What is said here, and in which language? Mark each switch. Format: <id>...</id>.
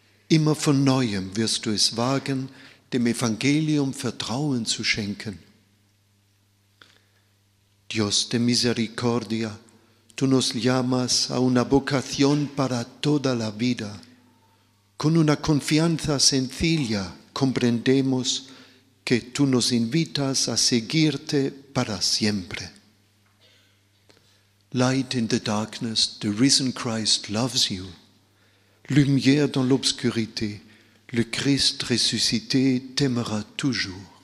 <de>Immer von Neuem wirst du es wagen, dem Evangelium Vertrauen zu schenken.</de> <es>Dios de misericordia, tu nos llamas a una vocación para toda la vida. Con una confianza sencilla comprendemos que tú nos invitas a seguirte para siempre.</es> <en>Light in the darkness, the risen Christ loves you.</en> <fr>Lumière dans l'obscurité, le Christ ressuscité t'aimera toujours.</fr>